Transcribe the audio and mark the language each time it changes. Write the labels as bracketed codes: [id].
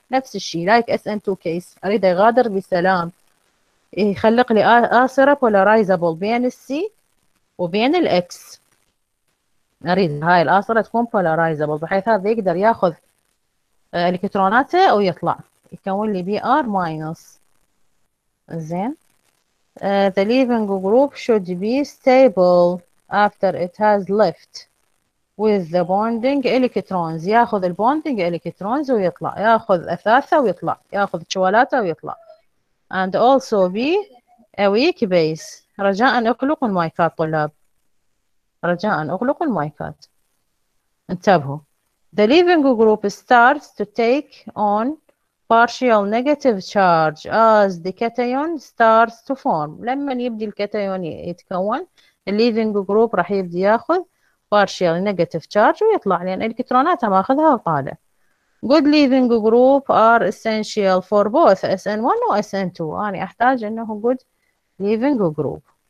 [ar] نفس الشيء [en] like SN2 case، [ar] أريد يغادر بسلام، يخلق لي آسرة polarizable بين السي وبين الإكس. أريد هاي الآسرة تكون polarizable بحيث هذا يقدر ياخذ الكتروناته ويطلع يكون لي بي ار ماينس. [en] زين the leaving group should be stable after it has left with the bonding electrons. [ar] ياخذ البوندنج الكترونز ويطلع، ياخذ اثاثه ويطلع، ياخذ شوالاته ويطلع. [en] and also be a weak base. [ar] رجاء اغلقوا المايكات طلاب، رجاء اغلقوا المايكات، انتبهوا. [en] the leaving group starts to take on partial negative charge as the cation starts to form. [ar] لما يبدي الكاتيون يتكون الليفينج جروب راح يبدي ياخذ [en] partial negative charge [ar] ويطلع، لان الكتروناته ماخذها وطالع. [en] good leaving group are essential for both SN1 و SN2. [ar] انا يعني احتاج انه [en] good leaving group.